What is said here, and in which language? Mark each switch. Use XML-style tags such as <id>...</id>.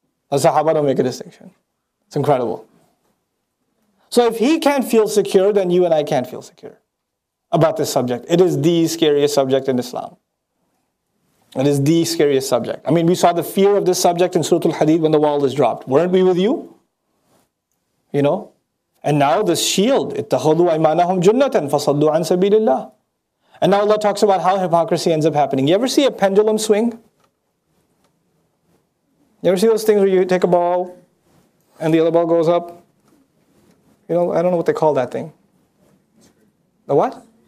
<en>The Sahaba don't make a distinction. It's incredible. So if he can't feel secure, then you and I can't feel secure about this subject. It is the scariest subject in Islam. It is the scariest subject. I mean, we saw the fear of this subject in Surah Al-Hadid when the wall is dropped. Weren't we with you? You know? And now this shield,</en> <ar>اتخذوا أيمانهم جنة فصدوا عن سبيل الله.</ar> <en>And now Allah talks about how hypocrisy ends up happening. You ever see a pendulum swing? You ever see those things where you take a ball and the other ball goes up? You know, I don't know what they call that thing. The what?</en>